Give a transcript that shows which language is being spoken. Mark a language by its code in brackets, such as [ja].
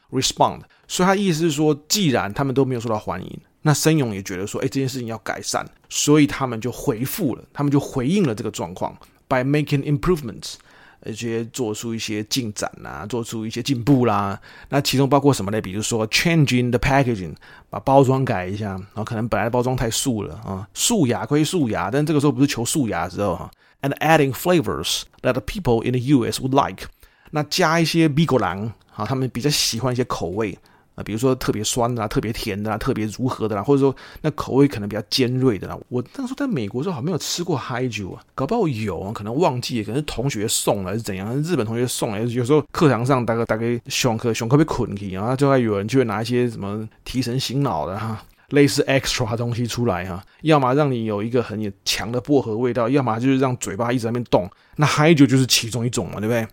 [zh] respond， 所以他意思是说，既然他们都没有受到欢迎，那森永也觉得说，哎，这件事情要改善，所以他们就回复了，他们就回应了这个状况 ， [en] by making improvements， [zh] 而且做出一些进展啦、啊，做出一些进步啦。那其中包括什么呢？比如说 [en] changing the packaging。 [zh] 把包装改一下，然后可能本来的包装太素了啊，素牙归素牙，但这个时候不是求素牙的时候哈。 [en] And adding flavors that the people in the U.S. would like， [zh] 那加一些美国人啊，他们比较喜欢一些口味啊，比如说特别酸的啦，特别甜的啦，特别如何的啦，或者说那口味可能比较尖锐的啦。我那时候在美国时候好像没有吃过 Hydro 啊，搞不好有，可能忘记了，可能是同学送了还是怎样，日本同学送了，有时候课堂上大概熊课被捆起，然后就会有人就会拿一些什么提神醒脑的哈，类似 extra 东西出来哈，要么让你有一个很强的薄荷味道，要么就是让嘴巴一直在那边动，那 Hydro 就是其中一种嘛，对不对？